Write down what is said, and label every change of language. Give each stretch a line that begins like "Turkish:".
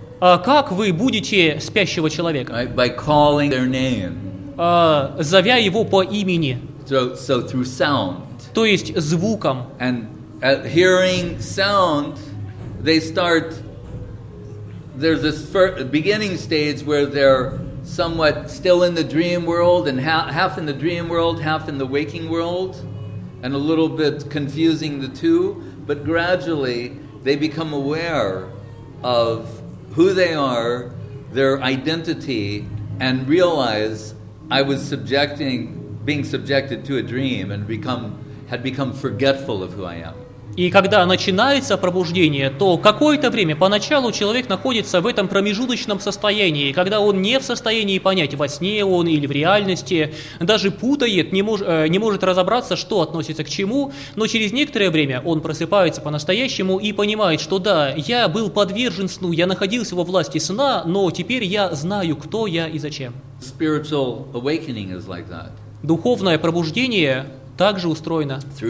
Russian: Как вы будете спящего человека?
English: Right, by calling their name.
Russian: Зовя его по имени.
English: So through sound.
Russian: То есть звуком.
English: And at hearing sound, they start. There's this first beginning stage where they're somewhat still in the dream world and half in the dream world, half in the waking world, and a little bit confusing the two. But gradually, they become aware of who they are, their identity, and realize I was being subjected to a dream and had become forgetful of who I am.
Russian: И когда начинается пробуждение, то какое-то время, поначалу человек находится в этом промежуточном состоянии, когда он не в состоянии понять, во сне он или в реальности, даже путает, не может разобраться, что относится к чему, но через некоторое время он просыпается по-настоящему и понимает, что да, я был подвержен сну, я находился во власти сна, но теперь я знаю, кто я и зачем.
English: Spiritual awakening is like that.
Russian: Духовное пробуждение также устроено